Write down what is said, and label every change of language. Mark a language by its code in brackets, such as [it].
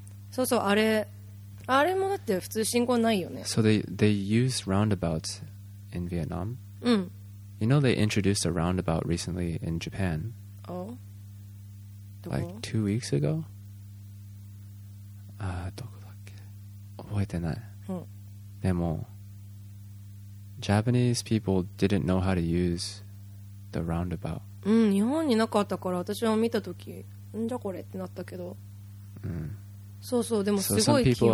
[ja] そうそう、あれもだって普通信号ないよね。 [en] So they use roundabouts in Vietnam. You know they introduced a roundabout recently in Japan. Oh. Like 2 weeks ago. [ja] ああ、どこだっけ。覚えてない。でも。 [en] Japanese people didn't know how to use the roundabout. [ja] 日本になかったから私も見たとき、んじゃこれってなったけど。そうそう、でもすごい気分ね。